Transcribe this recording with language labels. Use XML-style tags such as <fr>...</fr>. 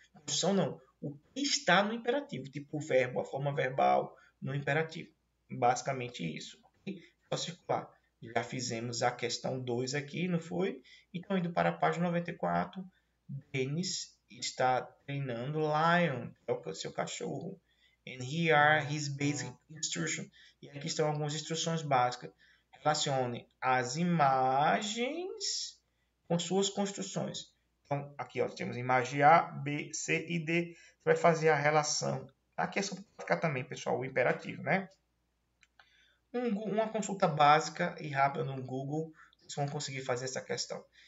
<pt>Construção não, o que está no imperativo, tipo o verbo, a forma verbal. No imperativo. Basicamente isso. Okay? Só circular. Já fizemos a questão 2 aqui, não foi? Então, indo para a página 94, Dennis está treinando Lion, que é o seu cachorro.</pt> <en>And here are his basic instructions.</en> <pt>E aqui estão algumas instruções básicas. Relacione as imagens com suas construções. Então, aqui ó, temos imagem A, B, C e D. Você vai fazer a relação. Aqui é só para ficar também, pessoal, o imperativo, né? Uma consulta básica e rápida no Google, vocês vão conseguir fazer essa questão.</pt>